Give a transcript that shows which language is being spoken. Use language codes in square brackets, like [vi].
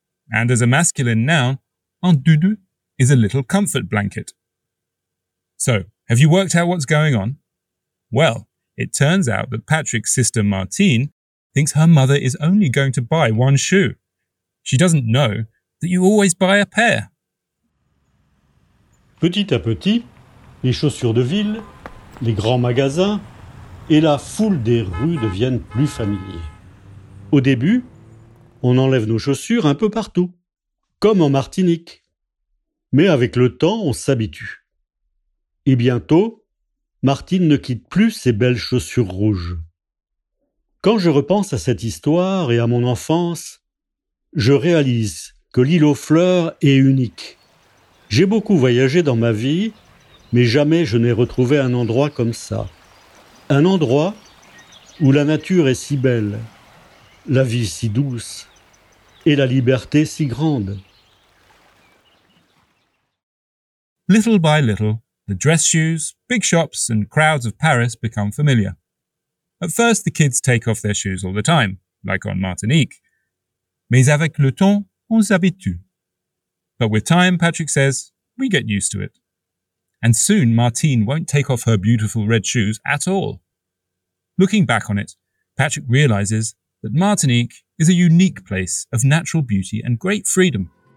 [en] And as a masculine noun, un doudou is a little comfort blanket. So, have you worked out what's going on? Well, it turns out that Patrick's sister Martine thinks her mother is only going to buy one shoe. She doesn't know that you always buy a pair. [fr] Petit à petit, les chaussures de ville, les grands magasins et la foule des rues deviennent plus familiers. Au début, on enlève nos chaussures un peu partout, comme en Martinique. Mais avec le temps, on s'habitue. Et bientôt, Martine ne quitte plus ses belles chaussures rouges. Quand je repense à cette histoire et à mon enfance, je réalise que l'île aux fleurs est unique. J'ai beaucoup voyagé dans ma vie, mais jamais je n'ai retrouvé un endroit comme ça. Un endroit où la nature est si belle, la vie si douce et la liberté si grande. [en] Little by little, the dress shoes, big shops and crowds of Paris become familiar. At first, the kids take off their shoes all the time, like on Martinique. [fr] Mais avec le temps, on s'habitue. [en] But with time, Patrick says, we get used to it. And soon Martine won't take off her beautiful red shoes at all. Looking back on it, Patrick realizes that Martinique is a unique place of natural beauty and great freedom.